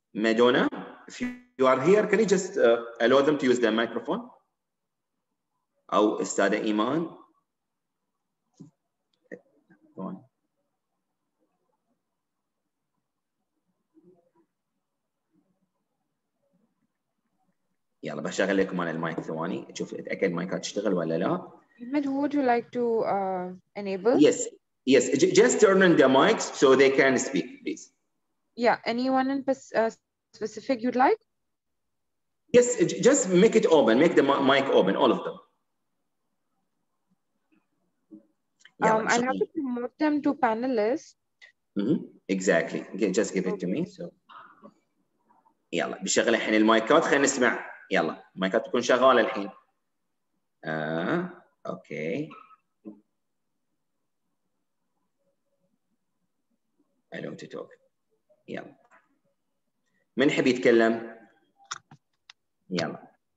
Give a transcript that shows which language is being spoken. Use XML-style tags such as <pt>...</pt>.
<en>Madonna if you are here can you just allow them to use the microphone.</en> <ar>او استاذه ايمان يلا بشغل لكم انا المايك ثواني اشوف اتاكد المايكات تشتغل ولا لا.</ar> <en>Ahmed, would you like to enable? Yes. Yes, just turn on the mics so they can speak, please. Yeah, anyone in specific you'd like? Yes, just make it open, make the mic open, all of them. I have to promote them to panelists. Mm-hmm. Exactly. Just give it to me. So.</en> <ar>يلا بشغل الحين المايكات خلينا نسمع. يلا مايكات تكون شغالة الحين. اوكي.</ar> <en>I don't want to talk.</en> <ar>يلا. من حبي يتكلم؟ يلا.</ar>